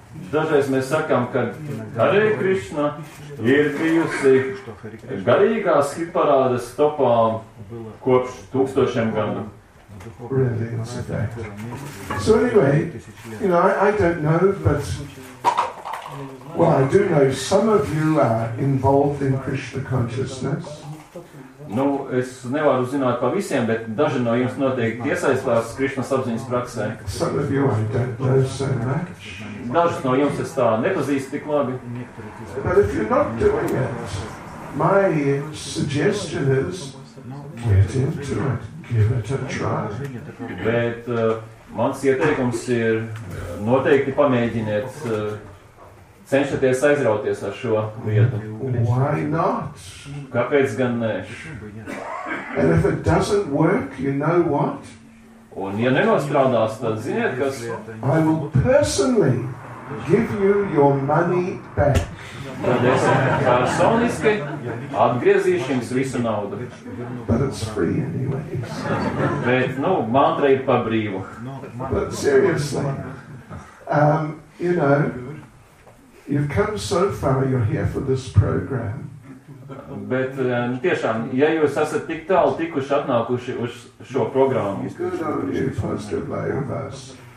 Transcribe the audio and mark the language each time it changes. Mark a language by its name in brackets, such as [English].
[Latvian] Dažreiz mēs sakām, ka Hare Krishna ir bijusi garīgās hit parādes topā kopš tūkstošiem gadu. [English] Really, it's a day. So anyway, you know, I don't know, but well, I do know some of you are involved in Krishna consciousness. [Latvian] Nu, es nevaru zināt par visiem, bet daži no jums noteikti iesaistās Krišna sapziņas praksē. [English] Some of you I don't know so much. [Latvian] Daži no jums es tā nepazīstu tik labi. [English] But if you're not doing it, my suggestion is get into it, give it a try. [Latvian] Bet mans ieteikums ir noteikti pamēģiniet cenšaties aizrauties ar šo lietu. [English] Why not? [Latvian] Kāpēc gan ne? [English] And if it doesn't work, you know what? [Latvian] Un ja nenostrādās, tad ziniet, kas? [English] I will personally give you your money back. [Latvian] Tad es personiski atgriezīšu jums visu naudu. [English] But it's free anyways. [Latvian] Bet, nu, mantra ir pa brīvu. [English] But seriously, you know, you've come so far, you're here for this program. [Latvian] Bet tiešām, ja jūs esat tik tālu tikuši atnākuši uz šo programmu. [English] Good on you, positive way of us.